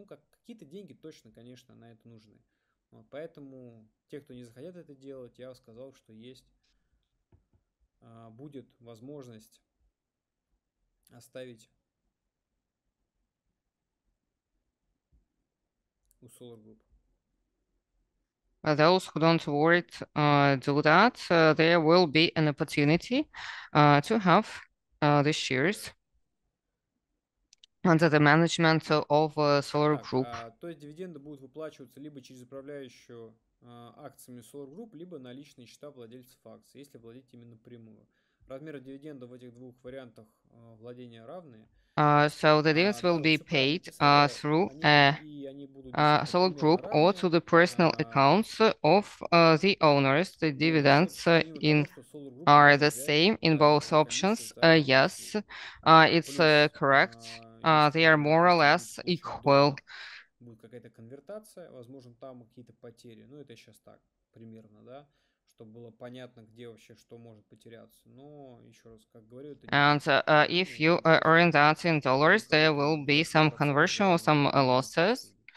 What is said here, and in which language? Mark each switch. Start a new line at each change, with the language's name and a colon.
Russian: Какие-то деньги точно, конечно, на это нужны. Вот, поэтому те, кто не захотят это делать, я сказал, что будет возможность оставить у SOLARGROUP.
English: Those who don't worry do that, there will be an opportunity to have the shares under the management of SOLARGROUP.
Russian: То есть дивиденды будут выплачиваться либо через управляющую акциями SOLARGROUP, либо на личные счета владельцев акций, если владеть ими напрямую. Размеры дивидендов в этих двух вариантах владения равны.
English: So the dividends will be paid through SOLARGROUP or to the personal accounts of the owners. The dividends are the same in both options. Yes, it's correct. They are more or less equal.
Russian: Будет какая-то конвертация, возможно, там какие-то потери. Ну, это сейчас так, примерно, да? Чтобы было понятно, где вообще что может потеряться. Но, еще раз, как говорю, это...
English: And if you earn that in dollars, there will be some conversion or some losses.